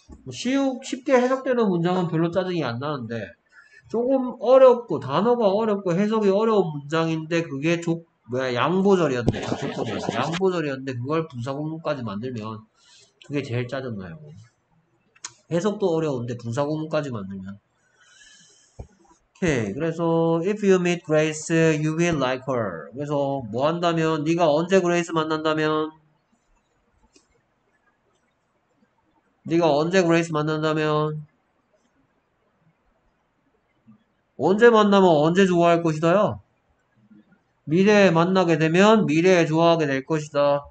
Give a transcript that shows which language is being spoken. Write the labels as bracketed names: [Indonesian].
[Korean] 쉽게 해석되는 문장은 별로 짜증이 안 나는데, 조금 어렵고, 단어가 어렵고, 해석이 어려운 문장인데, 그게 뭐야, 양보절이었네. 양보절이었는데, 그걸 분사구문까지 만들면, 그게 제일 짜증나요. 해석도 어려운데, 분사구문까지 만들면. 오케이. 그래서, [English] if you meet Grace, you will like her. [Korean] 그래서, 뭐 한다면, 네가 언제 Grace 만난다면, 네가 언제 그레이스 만난다면 언제 만나면 언제 좋아할 것이다요. 미래에 만나게 되면 미래에 좋아하게 될 것이다.